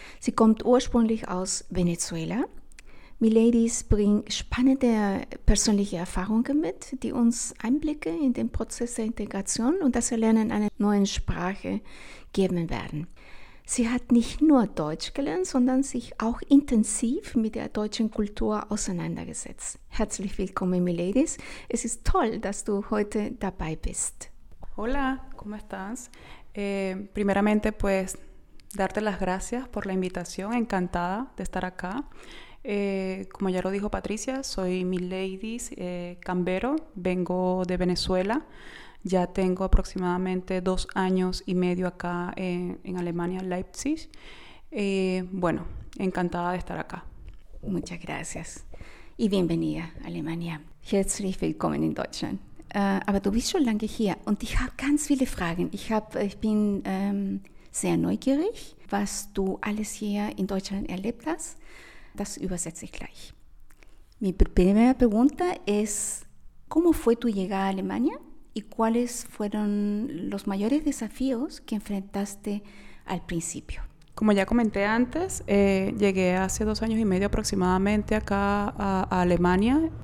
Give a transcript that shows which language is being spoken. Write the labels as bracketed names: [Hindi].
[German] Sie kommt ursprünglich aus Venezuela. Miladis bringt spannende persönliche Erfahrungen mit, die uns Einblicke in den Prozess der Integration und das Erlernen einer neuen Sprache geben werden. Sie hat nicht nur Deutsch gelernt, sondern sich auch intensiv mit der deutschen Kultur auseinandergesetzt. Herzlich willkommen, Miladis. Es ist toll, dass du heute dabei bist. [Spanish] Hola, ¿cómo estás? Primeramente, pues, darte las gracias por la invitación. Encantada de estar acá. Como ya lo dijo Patricia, soy Miladis Cambero, vengo de Venezuela. Ya tengo aproximadamente 2 años y medio acá en Alemania, Leipzig. Bueno, encantada de estar acá. Muchas gracias y bienvenida a Alemania. [German] Herzlich willkommen in Deutschland. Aber du bist schon lange hier und ich habe ganz viele Fragen. Ich bin sehr neugierig, was du alles hier in Deutschland erlebt hast. Das übersetze ich gleich. [Spanish] Mi primera pregunta es, ¿cómo fue tu llegada a Alemania? ¿Y cuáles fueron los mayores desafíos que enfrentaste al principio? Como ya comenté antes, llegué hace 2 años y medio aproximadamente acá a Alemania.